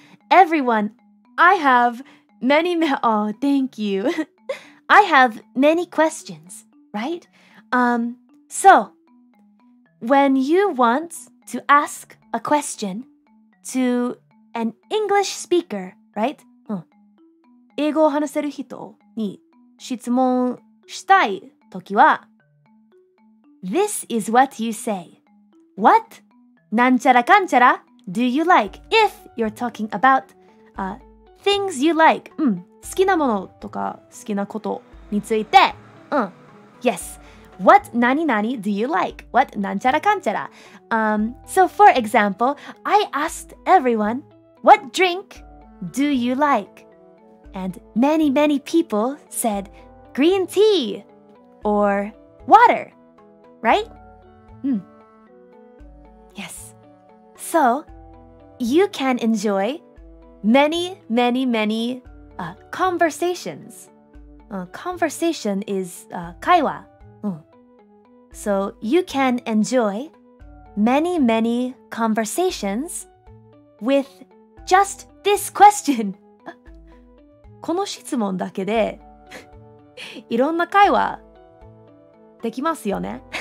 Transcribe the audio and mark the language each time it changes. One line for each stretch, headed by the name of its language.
English: Everyone, I have many... thank you. I have many questions, right? So, when you want to ask a question to an English speaker, right?
Japanese: 英語を話せる人に質問したいときは
English: This is what you say. What?
Japanese: なんちゃらかんちゃら
English: do you like? If you're talking about things you like.
Japanese: 好きなものとか好きなことについて
English: Yes. What
Japanese: 何何
English: do you like? What
Japanese: なんちゃらかんちゃら
English: So for example, I asked everyone, what drink do you like? And many, many people said green tea or water, right? Yes. So, you can enjoy many, many, many conversations. Conversation is 会話.So, you can enjoy many, many conversations with just this question.
Japanese: この質問だけでいろんな会話できますよね。